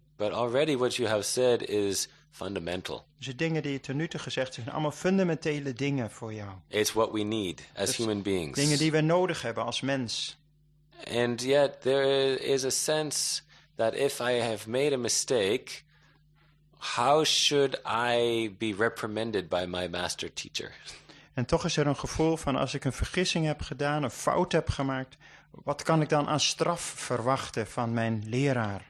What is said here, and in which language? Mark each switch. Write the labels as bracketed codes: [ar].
[en] But already what you have said is fundamental. [nl] Dus de dingen die je tot nu toe gezegd hebt, zijn allemaal fundamentele dingen voor jou. [en] It's what we need as human beings. [nl] Dingen die we nodig hebben als mens. [en] And yet there is a sense that if I have made a mistake, how should I be reprimanded by my master teacher? [nl] En toch is er een gevoel van als ik een vergissing heb gedaan, een fout heb gemaakt, wat kan ik dan aan straf verwachten van mijn leraar?